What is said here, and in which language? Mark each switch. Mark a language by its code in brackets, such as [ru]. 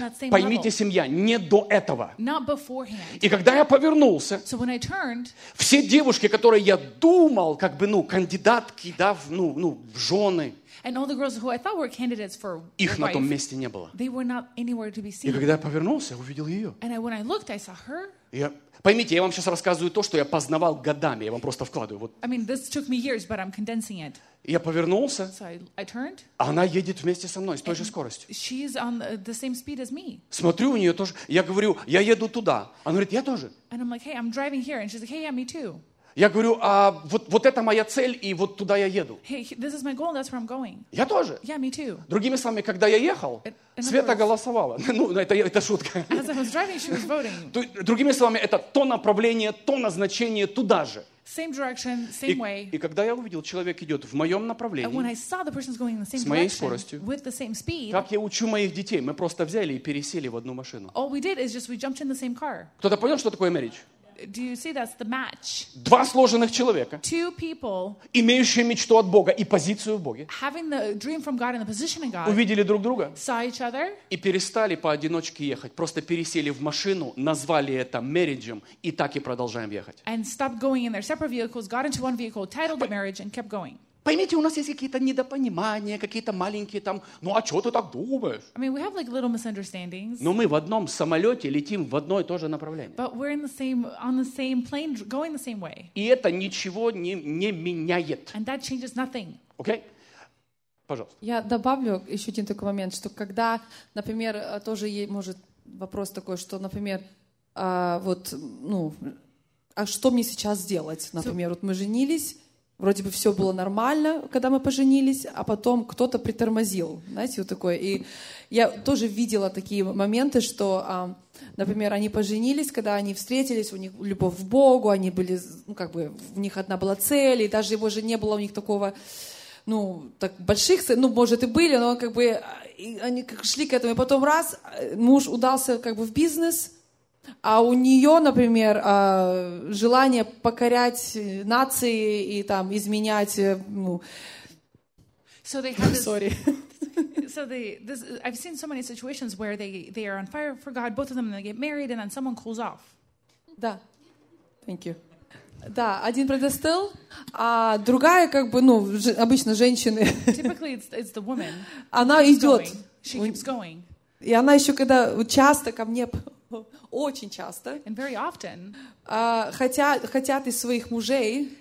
[ru] Поймите, семья, не до этого. И когда я повернулся, все девушки, которые я думал, как бы, ну, кандидатки, да, ну, в жены, [en] and all the girls who I thought were candidates for [ru] их на том месте не было. [en] They were not anywhere to be seen. [ru] И когда я повернулся, я увидел ее. [en] And when I looked, I saw her. [ru] Я, поймите, я вам сейчас рассказываю то, что я познавал годами. Я вам просто вкладываю. Вот. [en] I mean, this took me years, but I'm condensing it. [ru] Я повернулся. [en] So I turned. [ru] Она едет вместе со мной с той же скоростью. [en] She's on the same speed as me. [ru] Смотрю, у нее тоже. Я говорю, я еду туда. Она говорит, я тоже. [en] And I'm like, hey, I'm driving here, and she's like, hey, yeah, me too. [ru] Я говорю, а вот, вот это моя цель, и вот туда я еду. [en] Hey, this is my goal, that's where I'm going. [ru] Я тоже. [en] Yeah, me too. [ru] Другими словами, когда я ехал, Света голосовала. Ну, это шутка. [en] As I was driving, she was voting. [ru] Другими словами, это то направление, то назначение туда же. [en] Same direction, same way. [ru] И когда я увидел, человек идет в моем направлении, [en] when I saw the person's going in the same [ru] с моей скоростью, [en] with the same speed, [ru] как я учу моих детей, мы просто взяли и пересели в одну машину. [en] All we did is just we jumped in the same car. [ru] Кто-то понял, что такое marriage? [en] Do you see that's the match? [ru] Два сложенных человека, [en] two people, [ru] имеющие мечту от Бога и позицию в Боге, [en] having the dream from God and the position in God, [ru] увидели друг друга, [en] saw each other, [ru] и перестали поодиночке ехать, просто пересели в машину, назвали это marriage'ем, и так и продолжаем ехать. [en] And stopped going in their separate vehicles, got into one vehicle, titled it marriage, and kept going. [ru] Поймите, у нас есть какие-то недопонимания, какие-то маленькие там, ну а что ты так думаешь? [en] I mean, we have like little misunderstandings. [ru] Но мы в одном самолете летим в одно и то же направление. [en] But we're in the same, on the same plane, going the same way. [ru] И это ничего не меняет. [en] And that changes nothing. Okay? [ru] Пожалуйста. Я добавлю еще один такой момент, что когда, например, тоже есть, может, вопрос такой, что, например, вот, ну, а что мне сейчас делать? Например, вот мы женились, вроде бы все было нормально, когда мы поженились, а потом кто-то притормозил, знаете, вот такое. И я тоже видела такие моменты, что, например, они поженились, когда они встретились, у них любовь к Богу, они были, ну, как бы, у них одна была цель, и даже его же не было у них такого, ну, так больших целей, ну, может, и были, но как бы они шли к этому. И потом раз, муж удался как бы в бизнес, а у нее, например, желание покорять нации и там изменять, ну, [en] so they have this, sorry. So they, this, I've seen so many situations where they are on fire for God, both of them, and they get married, and then someone cools off. [ru] Да. [en] Thank you. [ru] Да, один предостыл, а другая, как бы, ну, обычно женщины. [en] Typically it's the woman. [ru] Она идет. [en] She keeps going. [ru] И она еще когда часто ко мне. Очень часто. [en] And very often, [ru] хотят из своих мужей